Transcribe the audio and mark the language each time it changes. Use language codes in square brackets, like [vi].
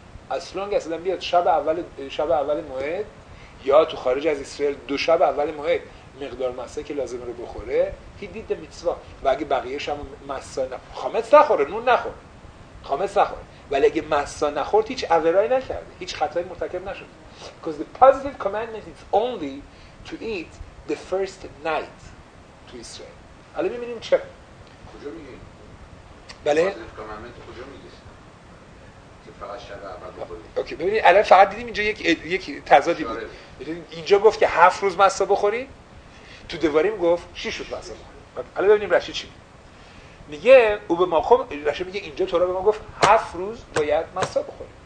[fa] اصلاً که اصلاً بیاد شب اول ماهد یا تو خارج از اسرائیل 2 شب اول ماهد مقدار مسا که لازمه رو بخوره، هی دید میتسوا. و اگه بقیهش هم مسا خامت نخوره، نون نخوره، خامت نخوره، ولی اگه مسا نخورد هیچ عذرایی نکرده، هیچ خطایی مرتکب نشد. [en] Because the positive commandment is only to eat the first night to Israel. [fa] حالا ببینیم چه کجا میگه؟ بله؟ [en] positive commandment [fa] کجا میگه؟ که فقط شب اول بخوریم. اوکی ببینید، الان فقط دیدیم اینجا یک تضادی بود. اینجا گفت که 7 روز مسا بخوری، تو دواریم گفت 6 روز مسا بخوری. حالا ببینیم رشید چی میگه. او به ما خب رشید میگه اینجا تورا به ما گفت 7 روز باید مسا بخوری.